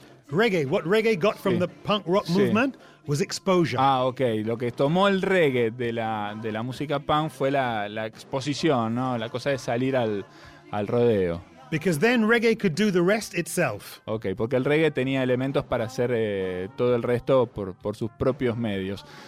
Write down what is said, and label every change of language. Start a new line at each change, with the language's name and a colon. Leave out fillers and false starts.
English: Reggae, what reggae got from the punk rock movement was exposure. Ah, okay.
Spanish: Lo que tomó el reggae de la música punk fue la exposición, ¿no? La cosa de salir al rodeo.
English: Because then reggae could do the rest itself.
Spanish: Okay, porque el reggae tenía elementos para hacer todo el resto por sus propios medios.